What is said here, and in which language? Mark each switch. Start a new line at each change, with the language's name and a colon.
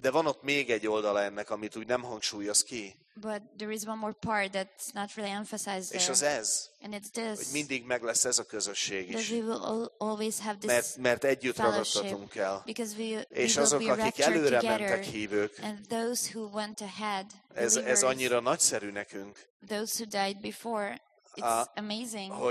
Hungarian: De van ott még egy oldala ennek, amit úgy nem hangsúlyoz ki.
English: But there is one more part that's not really emphasized there.
Hungarian: És az ez.
English: And it's this.
Hungarian: Hogy mindig meg lesz ez a közösség is.
English: That we will always have this
Hungarian: mert együtt ragadtatunk el.
English: Because we
Hungarian: és azok, akik előre mentek hívők.
English: And those who went ahead,
Hungarian: ez annyira nagyszerű nekünk.
English: Those who died before. It's amazing.